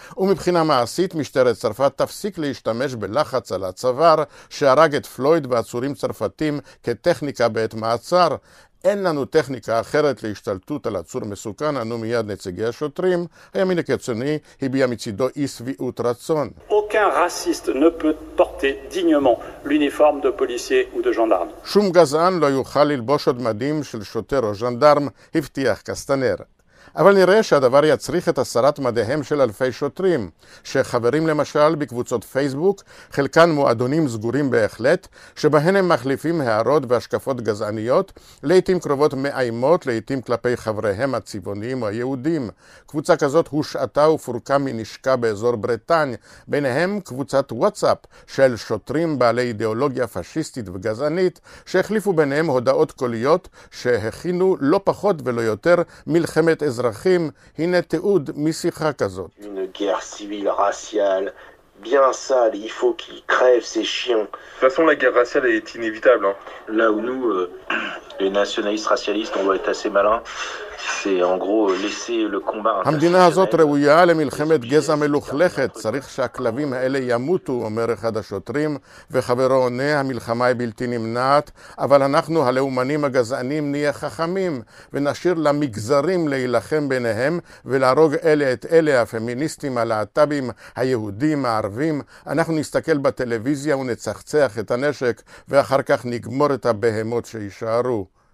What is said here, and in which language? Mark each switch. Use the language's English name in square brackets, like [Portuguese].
[Hebrew] ומבחינה מעשית, משטרת צרפת תפסיק להשתמש בלחץ על הצוואר שהרג את פלויד ועצורים צרפתים כטכניקה בעת מעצר. אין לנו טכניקה אחרת להשתלטות על עצור מסוכן, אנו מיד נציגי השוטרים. הימין הקיצוני הביע מצידו אי שביעות רצון. [French] Aucun raciste ne peut porter dignement l'uniforme de policier ou de gendarme. [Hebrew] שום גזען לא יוכל ללבוש עוד מדים של שוטר או ז'נדרם, הבטיח קסטנר. אבל נראה שהדבר יצריך את הסרת מדיהם של אלפי שוטרים, שחברים למשל בקבוצות פייסבוק, חלקן מועדונים סגורים בהחלט, שבהן הם מחליפים הערות והשקפות גזעניות, לעתים קרובות מאיימות, לעתים כלפי חבריהם הצבעוניים או היהודים. קבוצה כזאת הושעתה ופורקה מנשקה באזור בריטניה, ביניהם קבוצת וואטסאפ של שוטרים בעלי אידיאולוגיה פשיסטית וגזענית, שהחליפו ביניהם הודעות קוליות שהכינו לא פחות ולא יותר מלחמת אזרחים. הנה תיעוד משיחה כזאת. [French] Une guerre civile raciale bien sale, il faut qu'il crève ces chiens. De toute façon la guerre raciale est inévitable hein. Là où nous les nationalistes racialistes on doit être assez malin. [Hebrew] המדינה הזאת ראויה למלחמת גזע מלוכלכת, צריך שהכלבים האלה ימותו, אומר אחד השוטרים, וחברו עונה, המלחמה היא בלתי נמנעת, אבל אנחנו הלאומנים הגזענים נהיה חכמים, ונשאיר למגזרים להילחם ביניהם, ולהרוג אלה את אלה, הפמיניסטים, הלהט"בים, היהודים, הערבים, אנחנו נסתכל בטלוויזיה ונצחצח את הנשק, ואחר כך נגמור את הבהמות שישארו.